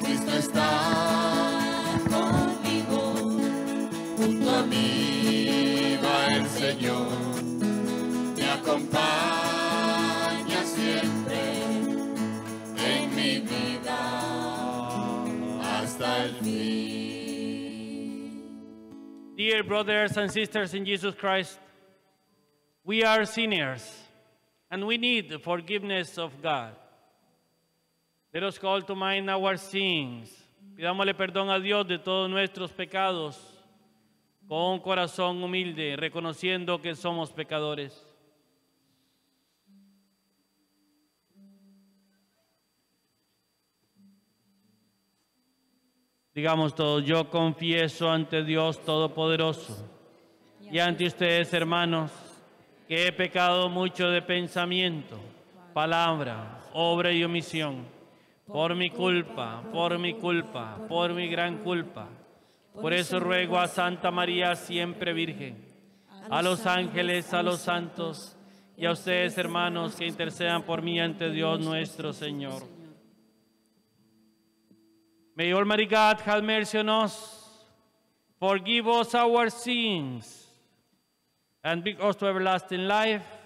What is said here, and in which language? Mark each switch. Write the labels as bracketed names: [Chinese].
[Spanish] Cristo está conmigo, junto a mí va el Señor. Me acompaña siempre en mi vida hasta el fin. [English] Dear brothers and sisters in Jesus Christ, we are sinners, and we need the forgiveness of God. Let us call to mind our sins. [Spanish] Pidámosle perdón a Dios de todos nuestros pecados, con un corazón humilde, reconociendo que somos pecadores. Digamos todos, yo confieso ante Dios Todopoderoso y ante ustedes, hermanos, que he pecado mucho de pensamiento, palabra, obra y omisión, por mi culpa, por mi culpa, por mi gran culpa. Por eso ruego a Santa María Siempre Virgen, a los ángeles, a los santos y a ustedes, hermanos, que intercedan por mí ante Dios nuestro Señor. [English] May Almighty God have mercy on us, forgive us our sins, and bring us to everlasting life.